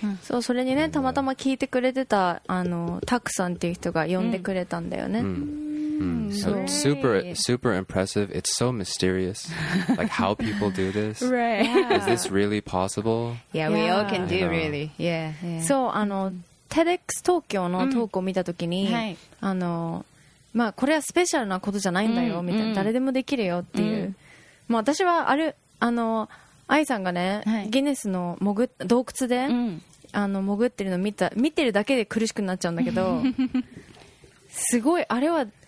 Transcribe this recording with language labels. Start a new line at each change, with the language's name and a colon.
Japanese: そう、それにね、たまたま聞いてくれてたあのタクさんっていう人が呼んでくれたんだよね。
English: So super, super impressive. It's so mysterious, like how people do this. Right? Yeah. Is this really possible? Yeah, we all can do really. Yeah.
Japanese: So, あの TEDx 東京のトークを見たときに、あのまあこれはスペシャルなことじゃないんだよみたいな、誰でもできるよっていう。まあ私はあるあの愛さんがね、ギネスの洞窟で、あの潜ってるの見てるだけで苦しくなっちゃうんだけど、すごい、あれは。